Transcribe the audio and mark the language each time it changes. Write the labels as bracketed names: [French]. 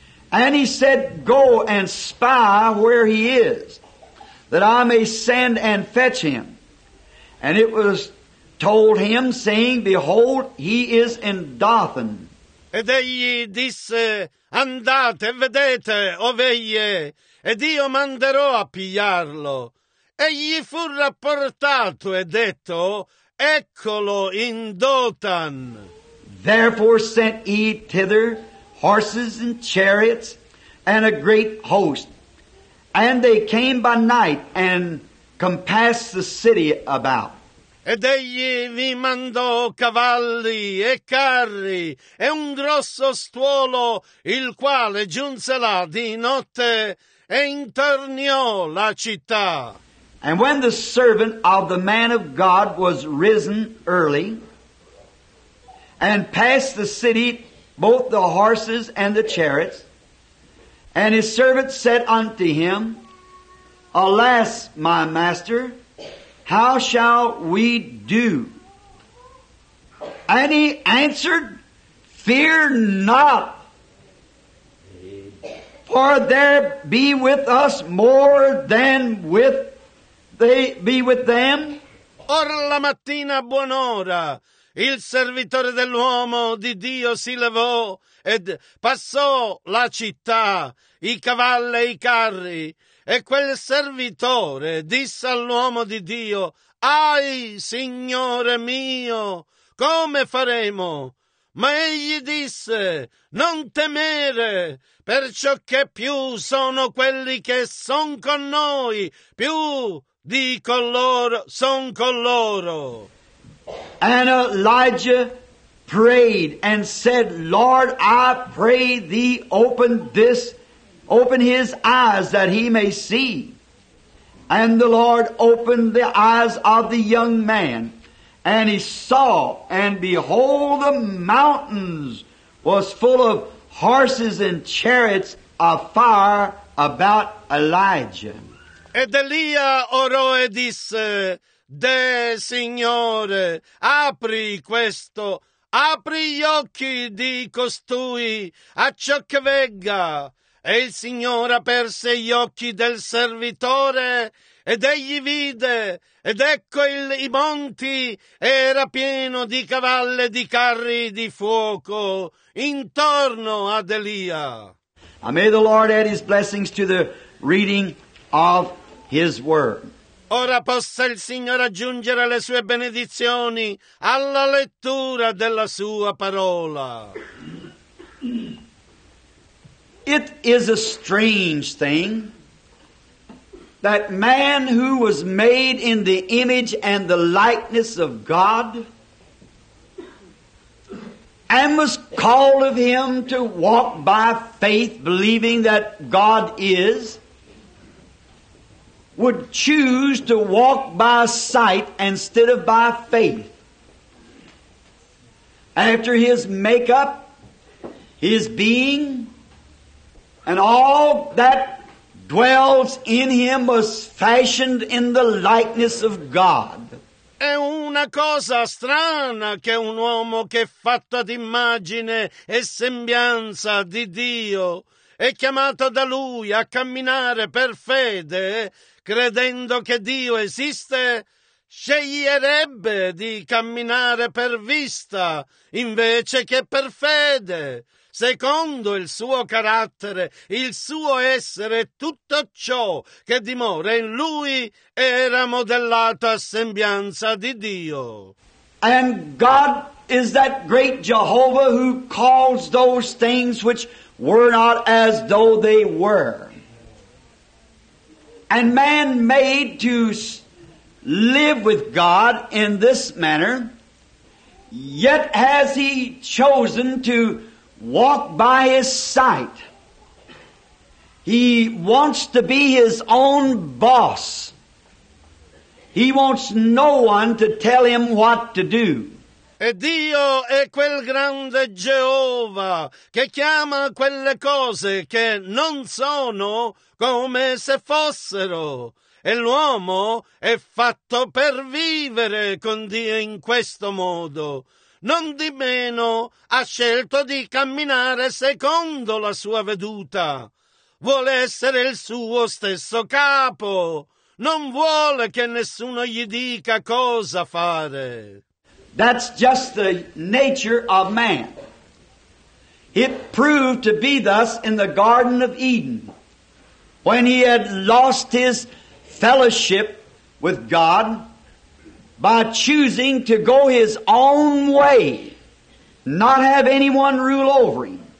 [English] And he said, go and spy where he is, that I may send and fetch him. And it was told him, saying, behold, he is in Dothan. [Italian] Ed egli disse, andate, vedete, ove egli è, ed io manderò a pigliarlo. E gli fu rapportato e detto, eccolo in Dothan. [English] Therefore sent he thither horses and chariots and a great host. And they came by night and compassed the city about. [Italian] Ed egli vi mandò cavalli e carri e un grosso stuolo, il quale giunse là di notte e interniò la città. [English] And when the servant of the man of God was risen early and passed the city, both the horses and the chariots, and his servant said unto him, alas, my master, how shall we do? And he answered, fear not, for there be with us more than with they be with them. [Italian] Or la mattina buon'ora il servitore dell'uomo di Dio si levò ed passò la città, i cavalli e i carri. E quel servitore disse all'uomo di Dio, ai, Signore mio, come faremo? Ma egli disse, non temere, perciò che più sono quelli che son con noi, più di coloro son con loro. [English] And Elijah prayed and said, Lord, I pray thee, open his eyes that he may see. And the Lord opened the eyes of the young man, and he saw, and behold, the mountains was full of horses and chariots of fire about Elijah. [Italian] Ed Elia orò e disse, De Signore, apri questo, apri gli occhi di costui a ciò che vegga. E il Signore aperse gli occhi del servitore, ed egli vide, ed ecco i monti, era pieno di cavalli e di carri di fuoco intorno ad Elia. [English] And may the Lord add his blessings to the reading of his word. [Italian] Ora possa il Signore aggiungere le sue benedizioni alla lettura della sua parola. [English] It is a strange thing that man who was made in the image and the likeness of God and was called of him to walk by faith, believing that God is, would choose to walk by sight instead of by faith. After his makeup, his being, and all that dwells in him was fashioned in the likeness of God. [Italian] È una cosa strana che un uomo che è fatto ad immagine e sembianza di Dio è chiamato da Lui a camminare per fede, credendo che Dio esiste, sceglierebbe di camminare per vista invece che per fede, secondo il suo carattere, il suo essere, tutto ciò che dimora in lui era modellato a sembianza di Dio. [English] And God is that great Jehovah who calls those things which were not as though they were. And man made to live with God in this manner, yet has he chosen to walk by his sight. He wants to be his own boss. He wants no one to tell him what to do. [Italian] E Dio è quel grande Geova che chiama quelle cose che non sono come se fossero. E l'uomo è fatto per vivere con Dio in questo modo. Non di meno ha scelto di camminare secondo la sua veduta. Vuole essere il suo stesso capo. Non vuole che nessuno gli dica cosa fare. [English] That's just the nature of man. It proved to be thus in the Garden of Eden, when he had lost his fellowship with God by choosing to go his own way, not have anyone rule over him.